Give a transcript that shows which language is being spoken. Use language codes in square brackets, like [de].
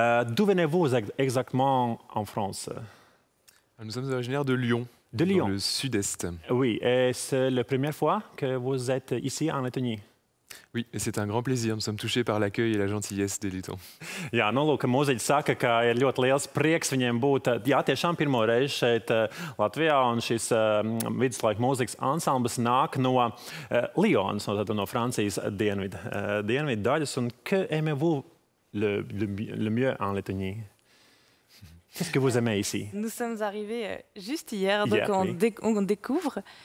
[fr] D'où venez-vous exactement en France? Nous sommes originaires de Lyon. De Lyon. Dans le sud-est. Oui, et c'est la première fois que vous êtes ici en Lettonie. Oui, et c'est un grand plaisir. Nous sommes touchés par l'accueil et la gentillesse des Lettons. [lv] Jā, nu lūk, mūziķi saka, ka ir ļoti liels prieks viņiem būt, jā, tiešām pirmo reizi šeit Latvijā, un šis viduslaika mūzikas ansambles nāk no Lyonas, no Francijas dienvidu daļas. [fr] Un que aimez-vous le mieux en Lettonie? Qu'est-ce que vous aimez ici? Nous sommes arrivés juste hier, donc on découvre...